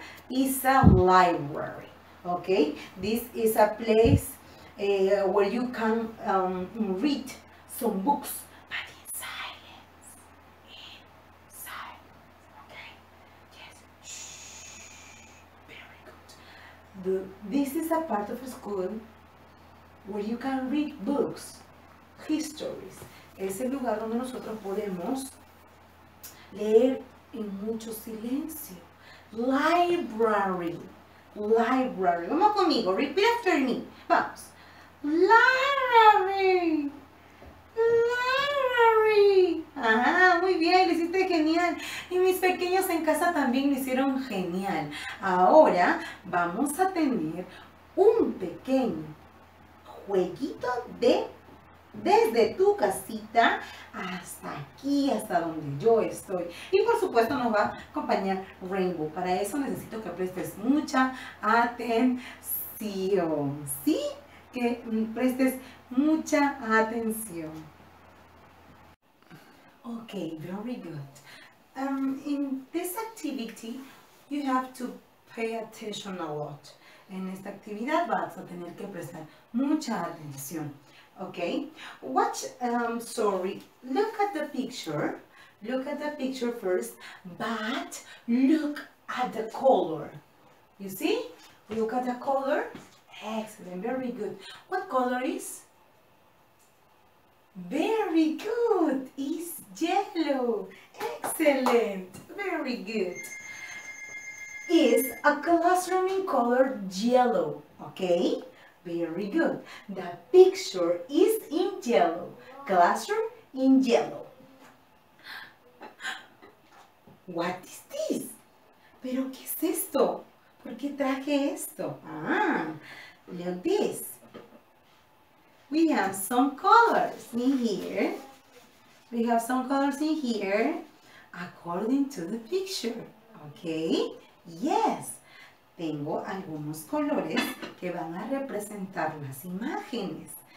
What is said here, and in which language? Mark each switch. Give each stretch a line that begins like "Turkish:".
English: It's a library. Okay, this is a place where you can read some books, but in silence. In silence. Okay, yes. Shh. Very good. This is a part of a school where you can read books, histories.
Spanish: Es el lugar donde nosotros podemos leer en mucho silencio.
English: Library. Library.
Spanish: Vamos conmigo.
English: Repeat after me.
Spanish: Vamos.
English: Library. Library.
Spanish: Ajá, muy bien. Lo hiciste genial. Y mis pequeños en casa también lo hicieron genial. Ahora vamos a tener un pequeño jueguito de desde tu casita hasta aquí, hasta donde yo estoy. Y por supuesto nos va a acompañar Rainbow. Para eso necesito que prestes mucha atención. ¿Sí? Que prestes mucha atención.
English: Ok, very good. In this activity, you have to pay attention a lot.
Spanish: En esta actividad vas a tener que prestar mucha atención.
English: Okay, watch, look at the picture, first, but look at the color, you see, look at the color, excellent, very good, what color is, very good, it's yellow, excellent, very good, is a classroom in color yellow, okay, very good. The picture is in yellow. Classroom in yellow. What is this?
Spanish: ¿Pero qué es esto? ¿Por qué traje esto?
English: Ah, look this. We have some colors in here. We have some colors in here according to the picture. Okay? Yes.
Spanish: Tengo algunos colores que van a representar las imágenes.